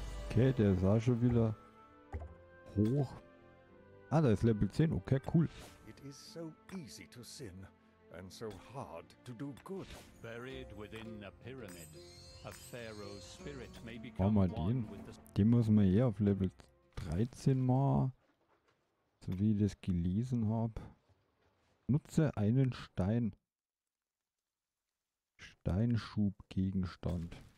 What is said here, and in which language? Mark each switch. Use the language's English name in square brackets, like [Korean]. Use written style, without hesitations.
[German] Okay, der ist auch schon wieder hoch. Ah, da ist Level 10, okay, cool. [English] It is so easy to sin and so hard to do good. Buried within a pyramid. A pharaoh's spirit may become one with the... [German] Den muss man eher auf Level 13 machen. So wie ich das gelesen habe. Nutze einen Stein. Steinschubgegenstand.